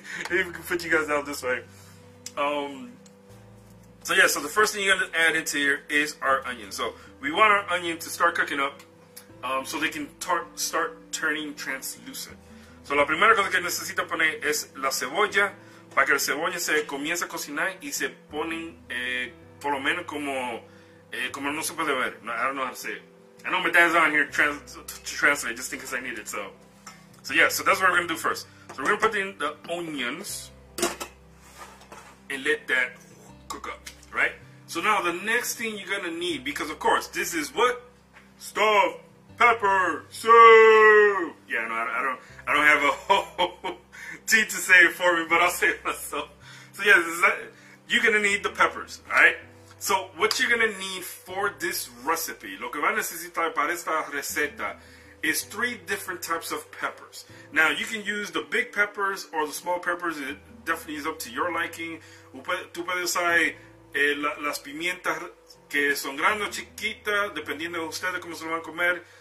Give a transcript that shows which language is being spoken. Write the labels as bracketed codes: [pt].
[en] Let me put you guys out this way. So the first thing you're going to add into here is our onion. So we want our onion to start cooking up so they can start turning translucent. [es] So la primera cosa que necesita poner es la cebolla para que la cebolla se comience a cocinar y se ponen por lo menos como... como no se puede ver. [en] No, I don't know how to say it. I know my dad's on here to translate just in case I need it. So that's what we're going to do first. So we're going to put in the onions and let that cook up, right? So now the next thing you're going to need, because of course, this is what? Stuff, pepper, soup. Yeah, no, I don't have a whole tea to say it for me, but I'll say it myself. So yeah, this is that. You're going to need the peppers, all right? So, what you're going to need for this recipe, [es] lo que va a necesitar para esta receta, [en] is three different types of peppers. Now, you can use the big peppers or the small peppers. It definitely is up to your liking. [es] Tú puedes usar las pimientas que son grandes o chiquitas, dependiendo de ustedes cómo se lo van a comer.